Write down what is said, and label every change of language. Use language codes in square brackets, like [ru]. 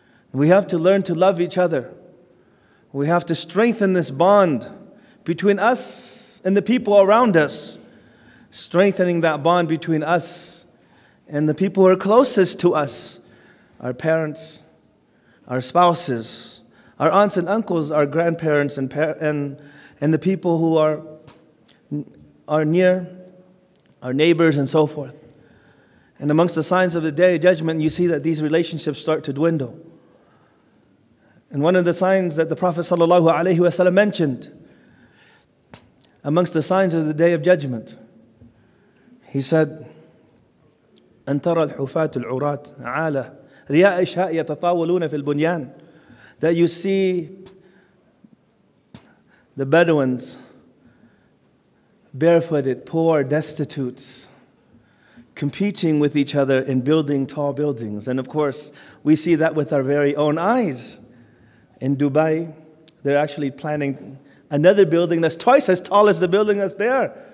[en] We have to learn to love each other. We have to strengthen this bond between us and the people around us, strengthening that bond between us and the people who are closest to us, our parents, our spouses, our aunts and uncles, our grandparents, and the people who are near, our neighbors and so forth. And amongst the signs of the Day of Judgment, you see that these relationships start to dwindle. And one of the signs that the Prophet ﷺ mentioned amongst the signs of the Day of Judgment. He said, [ar] أن ترى الحفاة العراة عالة رياء إشاء يتطاولون في البنيان. [en] That you see the Bedouins, barefooted, poor, destitutes, competing with each other in building tall buildings. And of course, we see that with our very own eyes. In Dubai, they're actually planning another building that's twice as tall as the building that's there.